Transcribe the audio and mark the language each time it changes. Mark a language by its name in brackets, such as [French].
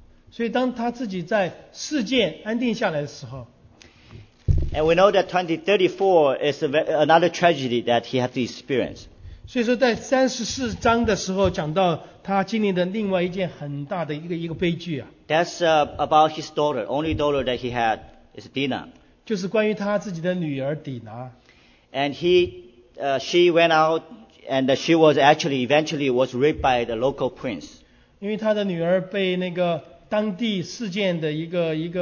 [Chinese] 所以当他自己在事件安定下来的时候。 [English] And we know that 2034 is another tragedy that he had to experience. [Chinese] 所以说在34章的时候讲到他经历的另外一件很大的一个悲剧啊。 [English] That's about his daughter. Only daughter that he had is Dinah. [Chinese] 就是关于他自己的女儿底拿。 [English] And she went out, and she was actually eventually was raped by the local prince. [Chinese] 因为他的女儿被那个当地事件的一个